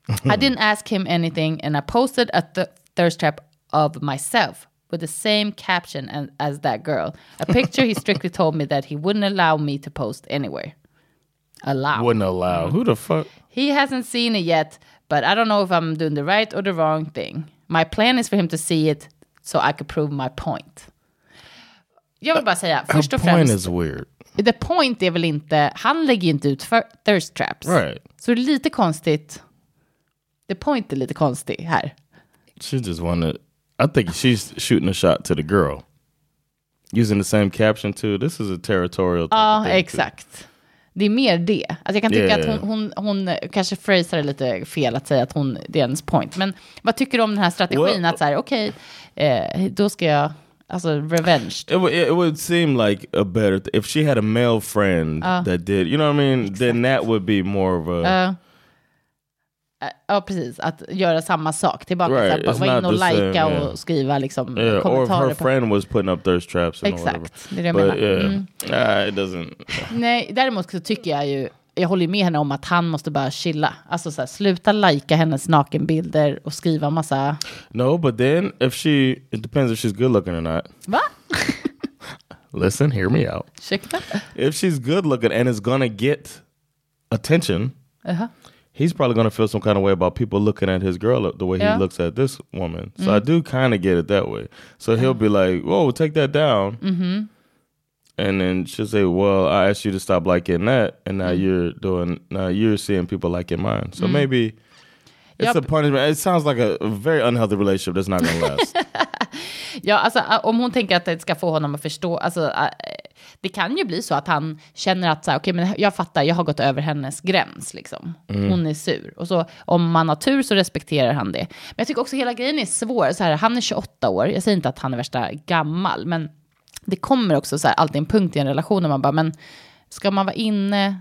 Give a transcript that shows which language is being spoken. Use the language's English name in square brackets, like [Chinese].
[English] I didn't ask him anything, and I posted a thirst trap of myself with the same caption as that girl. A picture he strictly told me that he wouldn't allow me to post anywhere. Allow. Wouldn't allow. Who the fuck? He hasn't seen it yet, but I don't know if I'm doing the right or the wrong thing. My plan is for him to see it, so I could prove my point. [Swedish] Jag vill bara säga, först och främst, [English] point is weird. The point [Swedish] är väl inte, han lägger inte ut thirst traps. [English] Right. [Swedish] Så det är lite konstigt. [English] The point [Swedish] är lite konstig här. [English] She just wanted, I think she's shooting a shot to the girl. Using the same caption too. This is a territorial type thing. [Swedish] Ja, exakt. [English] Too. [Swedish] Det är mer det. Alltså jag kan tycka att hon kanske phrasar det lite fel att säga att hon, det är ens point. Men vad tycker du om den här strategin? Well, att så här, okej. Okay, då ska jag, alltså, revenge. [English] It would seem like a better if she had a male friend that did, you know what I mean? [Swedish] Exakt. [English] Then that would be more of a [Swedish] precis, att göra samma sak tillbaka, [English] right, [Swedish] så att vara in och likea [English] same, [Swedish] och skriva liksom kommentarer. [English] Or [Swedish] på [English] friend was putting up thirst traps. [Swedish] Exakt, [English] whatever. [Swedish] Det är det jag menar. [English] It doesn't. [Swedish] Nej, däremot så tycker jag ju, jag håller med henne om att han måste bara chilla. Alltså så här, sluta likea hennes nakenbilder och skriva massa. [English] No, but then if she, it depends if she's good looking or not. [Swedish] Va? [English] Listen, hear me out. [Swedish] Ursäkta. [English] If she's good looking and is gonna get attention, he's probably gonna feel some kind of way about people looking at his girl the way he looks at this woman. Mm. So I do kind of get it that way. So he'll be like, whoa, take that down. Mm-hmm. And then she'll say, well, I asked you to stop liking that, and now you're doing, now you're seeing people liking mine. So maybe it's a punishment. It sounds like a very unhealthy relationship that's not going to last. [Swedish] Ja, alltså, om hon tänker att det ska få honom att förstå, alltså, det kan ju bli så att han känner att, okej, okay, men jag fattar, jag har gått över hennes gräns, liksom. Mm. Hon är sur. Och så, om man har tur så respekterar han det. Men jag tycker också hela grejen är svår. Så här, han är 28 år, jag säger inte att han är värsta gammal, men det kommer också så här, alltid en punkt i en relation där man bara, men ska man vara inne?